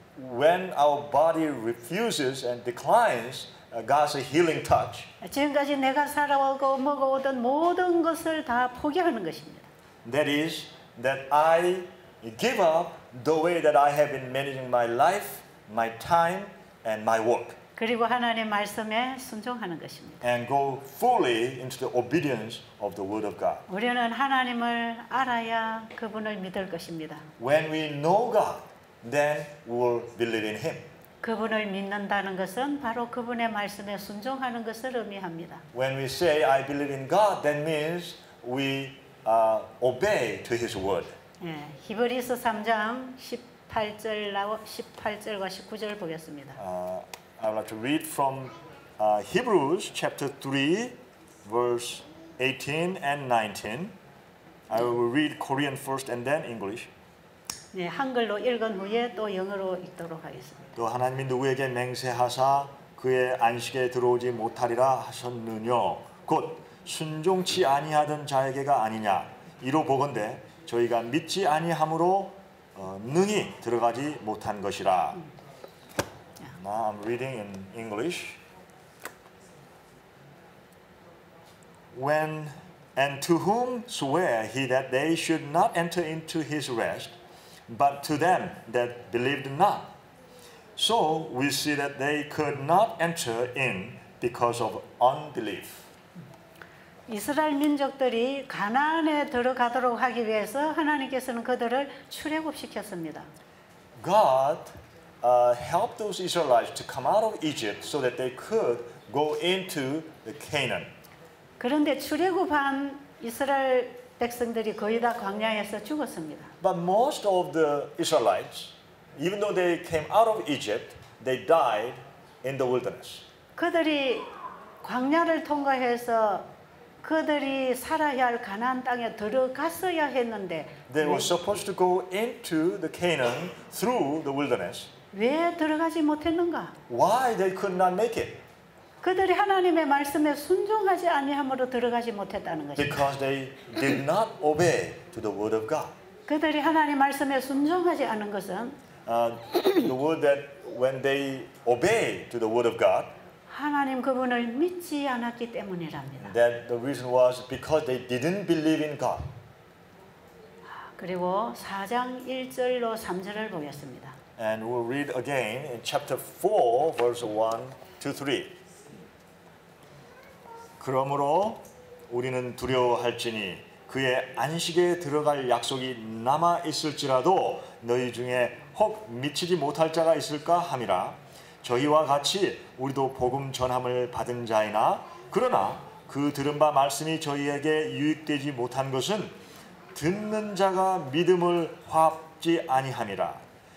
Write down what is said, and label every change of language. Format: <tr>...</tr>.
<en>when our body refuses and declines God's healing touch.</en> <ko>지금까지 내가 살아오고 먹어오던 모든 것을 다 포기하는 것입니다.</ko> <en>That is that I give up the way that I have been managing my life, my time and my work.</en> <ko>그리고 하나님 말씀에 순종하는 것입니다.</ko> <en>And go fully into the obedience of the word of God.</en> <ko>우리는 하나님을 알아야 그분을 믿을 것입니다.</ko> <en>When we know God, then we will believe in him.</en> <ko>그분을 믿는다는 것은 바로 그분의 말씀에 순종하는 것을 의미합니다.</ko> <en>When we say I believe in God, that means we obey to his word.</en> <ko>히브리서 3장 18절과 19절을 보겠습니다.</ko> <en>I would like to read from Hebrews chapter 3, verse 18 and 19. I will read Korean first and then English.</en> <ko>네, 한글로 읽은 후에 또 영어로 읽도록 하겠습니다. 또 하나님이 누구에게 맹세하사 그의 안식에 들어오지 못하리라 하셨느뇨. 곧 순종치 아니하던 자에게가 아니냐. 이로 보건대 저희가 믿지 아니함으로 능히 들어가지 못한 것이라.</ko> <en>Now I'm reading in English. When and to whom swear he that they should not enter into his rest, but to them that believed not. So we see that they could not enter in because of unbelief.</en> <ko>이스라엘 민족들이 가나안에 들어가도록 하기 위해서 하나님께서는 그들을 출애굽시켰습니다.</ko> <en>God helped those Israelites to come out of Egypt so that they could go into the Canaan.</en> <ko>그런데 출애굽한 이스라엘 백성들이 거의 다 광야에서 죽었습니다.</ko> <en>But most of the Israelites, even though they came out of Egypt, they died in the wilderness.</en> <ko>그들이 광야를 통과해서 그들이 살아야 할 가나안 땅에 들어갔어야 했는데</ko> <en>They were supposed to go into the Canaan through the wilderness.</en> <ko>왜 들어가지 못했는가?</ko> <en>Why they could not make it?</en> <ko>그들이 하나님의 말씀에 순종하지 아니함으로 들어가지 못했다는 것입니다.</ko> <en>Because they did not obey to the word of God.</en> <ko>그들이 하나님 말씀에 순종하지 않은 것은</ko> <en>the word that when they obey to the word of God</en> <ko>하나님 그분을 믿지 않았기 때문이랍니다.</ko> <en>That the reason was because they didn't believe in God.</en> <ko>그리고 4장 1절로 3절을 보겠습니다.</ko> <en>And we'll read again in chapter 4 verse 1 to 3.</en> <ko>그러므로 우리는 두려워할지니 그의 안식에 들어갈 약속이 남아 있을지라도 너희 중에 혹 미치지 못할 자가 있을까 함이라. 저희와 같이 우리도 복음 전함을 받은 자이나 그러나 그 들은 바 말씀이 저희에게 유익되지 못한 것은 듣는 자가 믿음을 확지 아니함이라.</ko>